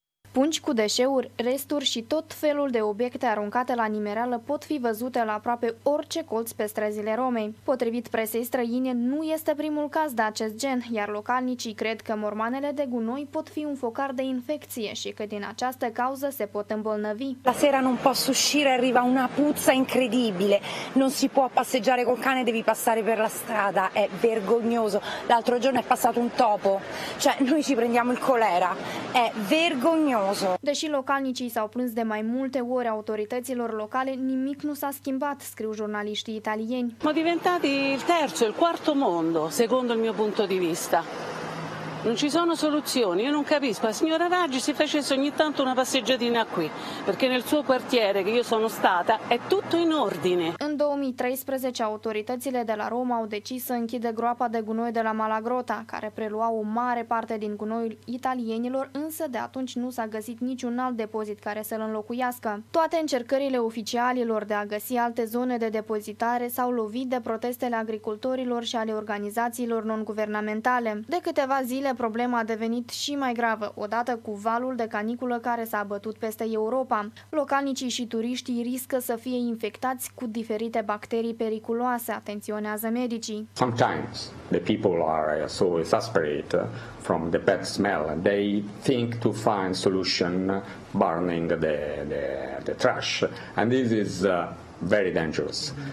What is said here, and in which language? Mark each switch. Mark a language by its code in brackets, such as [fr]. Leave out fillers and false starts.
[ro] Pungi cu deșeuri, resturi și tot felul de obiecte aruncate la nimereală pot fi văzute la aproape orice colț pe străzile Romei. Potrivit presei străine, nu este primul caz de acest gen, iar localnicii cred că mormanele de gunoi pot fi un focar de infecție și că din această cauză se pot îmbolnăvi. [it] La sera non posso uscire, arriva una puzza incredibile. Non si può passeggiare col cane, devi passare per la strada, è vergognoso. L'altro giorno è passato un topo. Cioè, noi ci prendiamo il colera. È vergognoso. [ro] cauză. Deși localnicii s-au plâns de mai multe ori autorităților locale, nimic nu s-a schimbat, scriu jurnaliștii italieni. [it] M-a diventati il terzo, il quarto mondo, secondo il mio punto di vista. Non ci sono soluzioni, io non capisco. La signora Raggi si facesse ogni tanto una passeggiatina qui, perché nel suo quartiere, che io sono stata, è tutto in ordine. [ro] În 2013, autoritățile de la Roma au decis să închidă groapa de gunoi de la Malagrota, care prelua o mare parte din gunoiul italienilor, însă de atunci nu s-a găsit niciun alt depozit care să-l înlocuiască. Toate încercările oficialilor de a găsi alte zone de depozitare s-au lovit de protestele agricultorilor și ale organizațiilor non-guvernamentale. De câteva zile, problema a devenit și mai gravă, odată cu valul de caniculă care s-a abătut peste Europa. Localnicii și turiștii riscă să fie infectați cu diferite bacterii periculoase, atenționează medicii. [en] Sometimes the people are so exasperated from the bad smell, they think to find solution burning the trash, and this is very dangerous.